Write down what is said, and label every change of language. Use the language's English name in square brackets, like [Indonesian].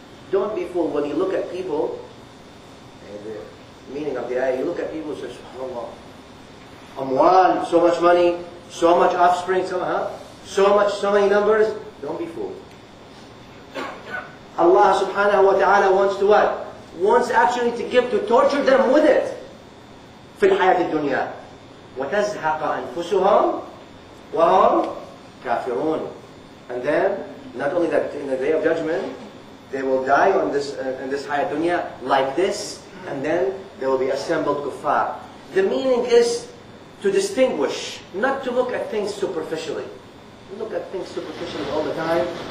[English] Don't be fooled when you look at people. Meaning of the ayah, you look at people and say, SubhanAllah, amwal, so much money, so much offspring, so many numbers. Don't be fooled. Allah subhanahu wa ta'ala wants to what? Wants actually to give, to torture them with it. [Arabic] في الحياة الدنيا. وتزهق أنفسهم وهم كافرون. [English] And then, not only that, in the day of judgment, they will die on this in this hayat dunya like this, and then they will be assembled kuffar. The meaning is to distinguish, not to look at things superficially. We look at things superficially all the time.